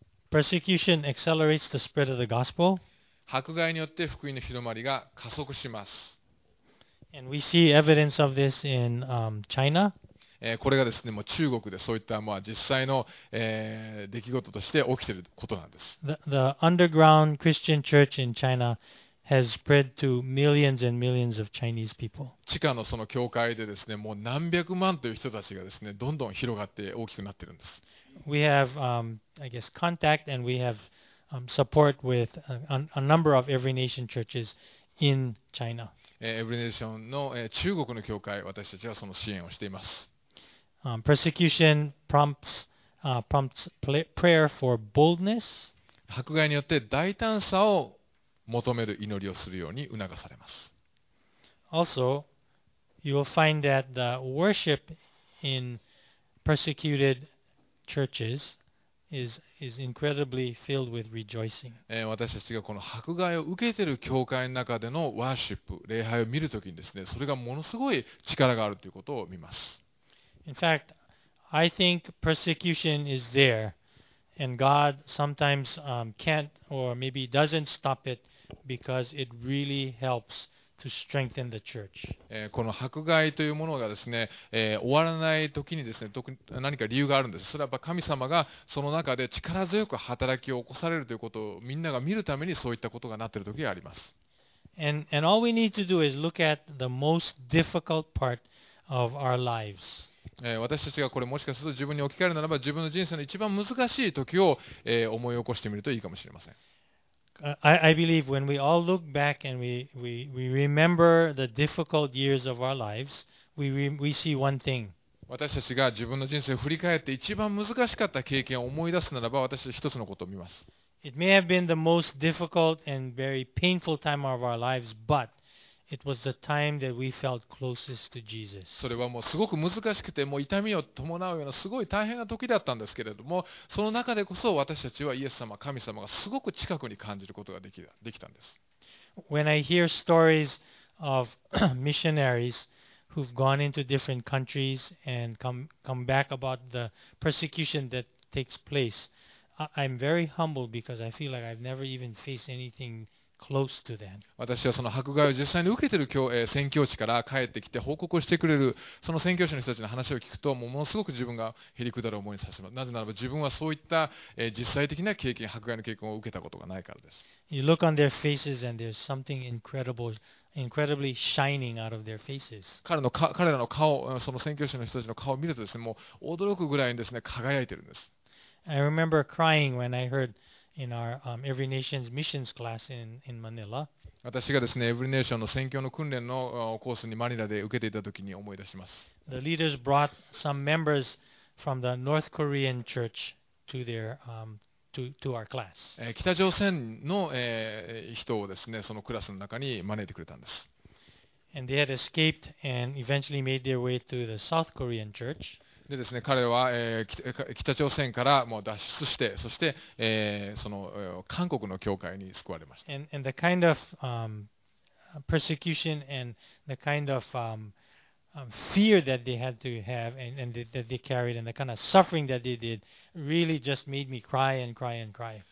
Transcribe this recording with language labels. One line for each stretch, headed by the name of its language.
English: Persecution accelerates the spread of the gospel.
Japanese: 迫害によって福音の広まりが加速します。
English: And we see evidence of this in China.
Japanese: これがですね、もう中国でそういったまあ実際の、出来事として起きていることなんです。
English: The underground Christian church in China has spread to millions and millions of Chinese people.
Japanese: 地下のその教会でですね、もう何百万という人たちがですね、どんどん広がって大きくなっているんです。
English: We have, I guess, contact and we have support with a number of every nation churches in China.
Japanese: Every nation の中国の教会、私たちはその支援をしています。
English: Persecution prompts, prayer for boldness.
Japanese: 迫害によって大胆さを求める祈りをするように促されます。
English: Also, you will find that the worship in persecuted churches is incredibly filled with rejoicing.
Japanese: 私たちがこの迫害を受けている教会の中でのワーシップ、礼拝を見るときにですね、それがものすごい力があるということを見ます。
English: In fact, I think persecution is there, and God sometimes can't or maybe doesn't stop it. Because it really helps to strengthen the church.
Japanese: この迫害というものがですね、終わらないときにですね、何か理由があるんです。それはやっぱ神様がその中で力強く働きを起こされるということをみんなが見るためにそういったことがなっているときがあります。
English: And all we need to do is look at the most difficult part of our lives.
Japanese: 私たちがこれもしかすると自分に置き換えるならば、自分の人生の一番難しいときを、思い起こしてみるといいかもしれません。
English: I believe when we all look back and we remember the difficult years of our lives, we see one thing.
Japanese: 私たちが自分の人生を振り返って一番難しかった経験を思い出すならば、私たち一つのことを見ます。
English: It may have been the most difficult and very painful time of our lives, but it was the time that we felt closest to Jesus.
Japanese: それはもうすごく難しくて、もう痛みを伴うようなすごい大変な時だったんですけれども、その中でこそ私たちはイエス様、神様がすごく近くに感じることができたんです。
English: When I hear stories of missionaries who've gone into different countries and come back about the persecution that takes place, I'm very humbled because I feel like I've never even faced anything. Close to that.
Japanese: 私はその迫害を実際に受けている宣教師から帰ってきて報告をしてくれるその宣教師の人たちの話を聞くと、もうものすごく自分がへりくだる思いにさせます。なぜならば自分はそういった実際的な経験、迫害の経験を受けたことがないからです。
English: You look on their faces and there's something incredible, incredibly shining out of their faces.
Japanese: 彼らの顔、その宣教師の人たちの顔を見るとですね、もう驚くぐらいにですね、輝いているんです。
English: I remember crying when I heardIn our Every Nation's Missions class in Manila.
Japanese: 私がですね、Every Nation の宣教の訓練のコースにマニラで受けていたときに思い出します。
English: The leaders brought some members from the North Korean church to their to our class.
Japanese: 北朝鮮の人をですね、そのクラスの中に招いてくれたんです。
English: And they had escaped and eventually made their way to the South Korean church.
Japanese: でですね、彼は、北朝鮮からもう脱出して、そして、その、韓国の教会に救われました。
English: And the kind of persecution and the kind of fear that they had to have and that they carried and the kind of suffering that they did really just made me cry and cry and cry.